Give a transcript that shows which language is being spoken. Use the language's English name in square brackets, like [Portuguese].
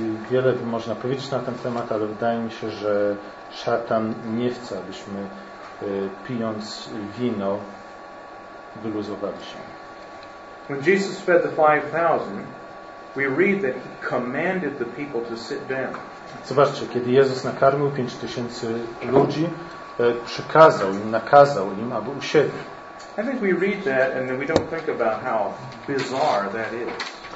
[Polish] Wiele by można powiedzieć na ten temat, ale wydaje mi się, że szatan nie chce, abyśmy pijąc wino wyluzowali się. [English] When Jesus fed the 5,000, we read that he commanded the people to sit down. [Polish] Zobaczcie, kiedy Jezus nakarmił 5,000 ludzi, przykazał im, nakazał im, aby usiedli. [English] I think we read that and then we don't think about how bizarre that is.